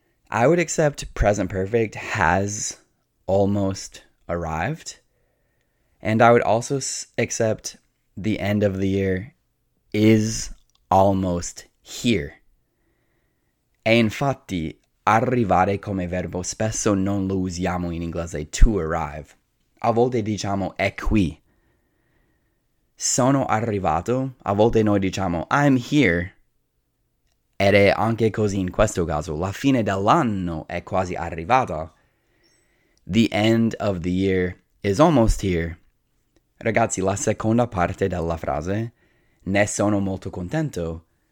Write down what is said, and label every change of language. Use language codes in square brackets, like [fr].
[en] I would accept present perfect has almost arrived. And I would also accept the end of the year is almost here. [it] E infatti, arrivare come verbo spesso non lo usiamo in inglese [en] to arrive. [it] A volte diciamo è qui. Sono arrivato. A volte noi diciamo [en] I'm here. [it] Ed è anche così in questo caso. La fine dell'anno è quasi arrivata. [en] The end of the year is almost here. [it] Ragazzi, la seconda parte della frase, ne sono molto contento.